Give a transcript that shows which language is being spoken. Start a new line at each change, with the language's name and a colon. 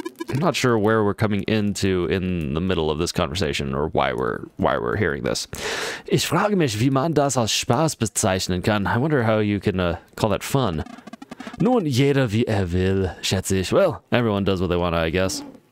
English: I'm not sure where we're coming into in the middle of this conversation or why we're hearing this.
German: Ich frage mich, wie man das als Spaß bezeichnen kann.
English: I wonder how you can call that fun.
German: Nun, jeder wie will, schätze ich.
English: Well, everyone does what they want, I guess.